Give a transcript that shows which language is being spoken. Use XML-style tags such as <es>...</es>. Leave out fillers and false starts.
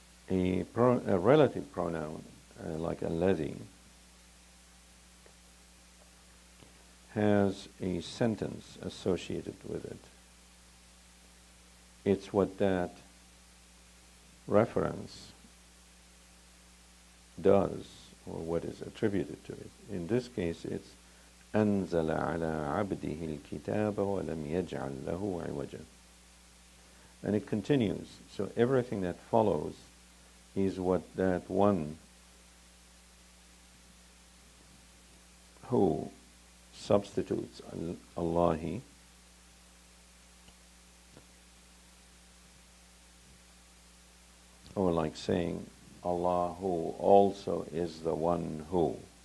<en>A relative pronoun like alladhi has a sentence associated with it. It's what that reference does, or what is attributed to it. In this case, it's</en> <ar>أَنْزَلَ عَلَىٰ عَبْدِهِ الْكِتَابَ وَلَمْ يَجْعَلْ لَهُ عِوَجًا.</ar> <en>And it continues. So everything that follows is what that one who substitutes Allahi or like saying Allah who also is the one who.</en>